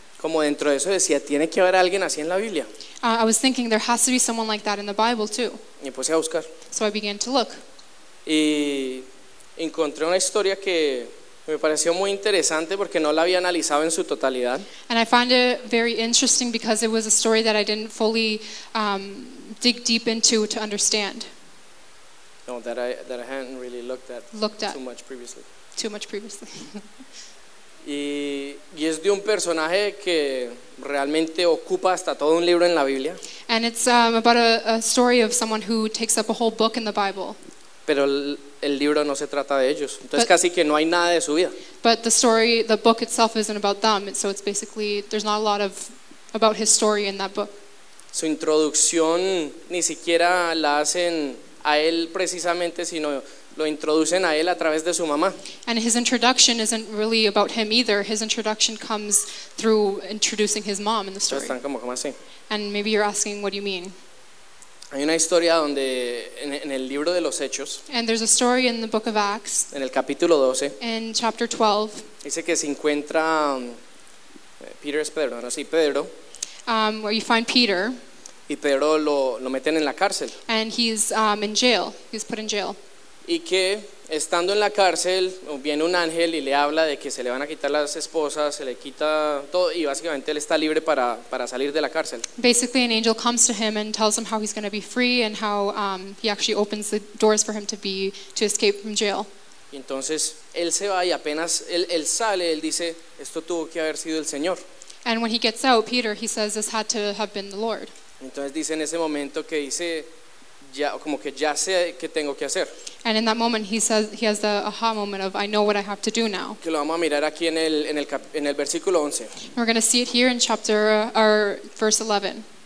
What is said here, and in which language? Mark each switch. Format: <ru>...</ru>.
<es>Como dentro de eso decía, tiene que haber alguien así en la Biblia.</es> <en>I was thinking there has to be someone like that in the Bible too.</en> <es>Y puse a buscar.</es> <en>So I began to look.</en> <es>Y encontré una historia que me pareció muy interesante porque no la había analizado en su totalidad.</es> <en>And I found it very interesting because it was a story that I didn't fully dig deep into to understand. No, that I hadn't really looked at too much previously. Too much previously.</en> <es>Y es de un personaje que realmente ocupa hasta todo un libro en la Biblia.</es> <en>And it's about a story of someone who takes up a whole book in the Bible.</en> <es>Pero el libro no se trata de ellos. Entonces but, casi que no hay nada de su vida.</es> <en>But the story, the book itself isn't about them. So it's basically, there's not a lot of about his story in that book.</en> <es>Su introducción ni siquiera la hacen a él precisamente, sino lo introducen a él a través de su mamá.</es> <en>And his introduction isn't really about him either. His introduction comes through introducing his mom in the story.</en> <es>Están como así.</es> <en>And maybe you're asking, what do you mean?</en> <es>Hay una historia donde en el libro de los Hechos.</es> <en>And there's a story in the book of Acts.</en> <es>En el capítulo 12.</es> <en>In chapter 12.</en> <es>Dice que se encuentra Peter, es Pedro, no, sí, Pedro.</es> <en>Where you find Peter.</en> <es>Y Pedro lo meten en la cárcel.</es> <en>And he's in jail. He's put in jail.</en> <es>Y que estando en la cárcel viene un ángel y le habla de que se le van a quitar las esposas, se le quita todo y básicamente él está libre para salir de la cárcel.</es> <en>Basically an angel comes to him and tells him how he's going to be free and how he actually opens the doors for him to escape from jail.</en> <es>Y entonces él se va y apenas él sale, él dice, esto tuvo que haber sido el Señor.</es> <en>And when he gets out, Peter, he says, this had to have been the Lord.</en> <es>Entonces dice en ese momento que dice, ya, como que ya sé qué tengo que hacer.</es> <en>And in that moment he says he has the aha moment of I know what I have to do now.</en> <es>Que lo vamos a mirar aquí en el versículo 11.</es> <en>We're going to see it here in chapter or verse 11.</en>